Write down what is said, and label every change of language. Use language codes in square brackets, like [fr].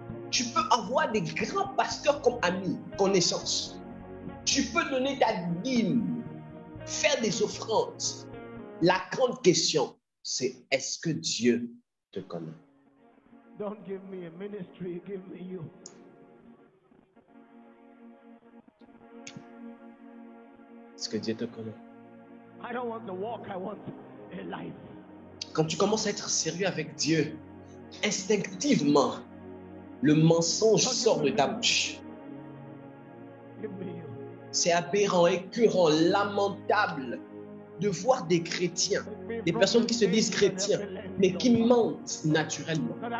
[fr] Tu peux avoir des grands pasteurs comme amis, connaissances. Tu peux donner ta dîme, faire des offrandes. La grande question, c'est est-ce que Dieu te connaît? [en] Don't give me a ministry, give me you. [fr] Est-ce que Dieu te connaît? [en] I don't want the walk, I want a life. [fr] Quand tu commences à être sérieux avec Dieu, instinctivement, le mensonge sort de ta bouche. C'est aberrant, écœurant, lamentable de voir des chrétiens, des personnes qui se disent chrétiens, mais qui mentent naturellement.